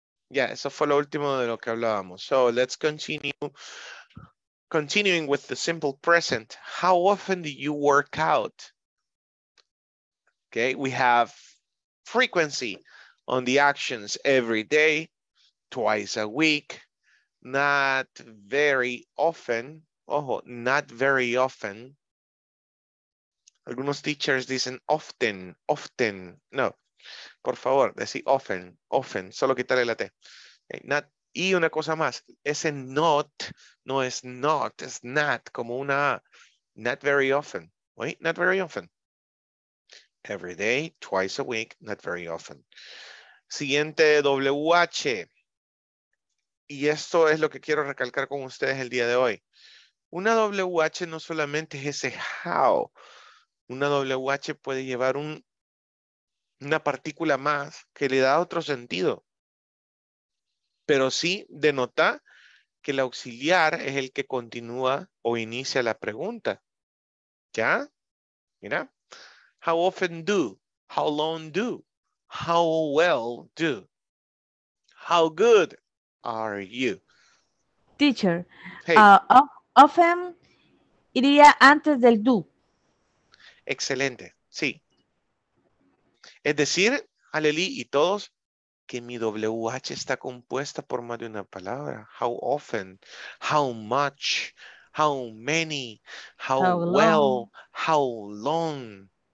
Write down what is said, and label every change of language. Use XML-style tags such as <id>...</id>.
<en>Yeah,</en> <es>eso fue lo último de lo que hablábamos.</es> <en>So let's continue. Continuing with the simple present, how often do you work out? Okay, we have frequency on the actions every day, twice a week, not very often.</en> <es>Ojo,</es> <en>not very often.</en> <es>Algunos teachers dicen</es> <en>often, often.</en> <es>No, por favor, decir often, often. Solo quitarle la T. Okay, not. Y una cosa más, ese not, no es not, es not, como una,</es> <en>not very often, right? Not very often. Every day, twice a week, not very often.</en> <es>Siguiente, WH. Y esto es lo que quiero recalcar con ustedes el día de hoy. Una WH no solamente es ese how. Una WH puede llevar una partícula más que le da otro sentido. Pero sí denota que el auxiliar es el que continúa o inicia la pregunta. ¿Ya? Mira.</es> <en>How often do? How long do? How well do? How good are you? Teacher, hey.</en> <es>Often iría antes del do. Excelente, sí. Es decir, Aleli y todos, que mi WH está compuesta por más de una palabra.</es> <en>How often, how much, how many, how well, long. How long.</en>